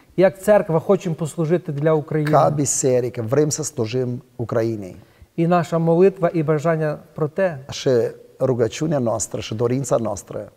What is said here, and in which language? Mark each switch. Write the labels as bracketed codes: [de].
[uk] як церква хочемо послужити для України. [ro] Ca biserică vrem să slujim Ucrainei. [uk] І наша молитва і бажання про те, [ro] și rugăciunea noastră și dorința noastră,